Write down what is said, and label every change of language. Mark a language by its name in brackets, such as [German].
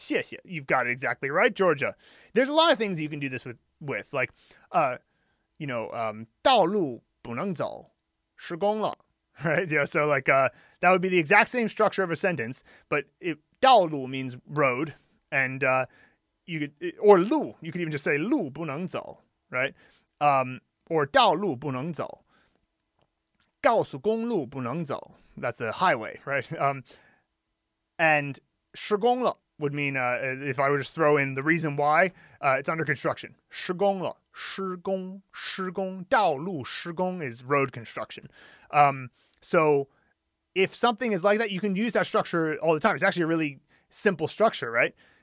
[English] Yes, you've got it exactly right, Georgia. There's a lot of things you can do this with like, 道路不能走,施工了. Right. Yeah. So like that would be the exact same structure of a sentence. But it, 道路 means road, and you could, or 路, you could even just say 路不能走, right? [Chinese] Or 道路不能走, 高速公路不能走. [English] That's a highway, right? And 施工了 would mean if I were just throw in the reason why it's under construction. [Chinese] 施工了,施工,施工,道路施工 is road construction. [English] So if something is like that, you can use that structure all the time. It's actually a really simple structure, right?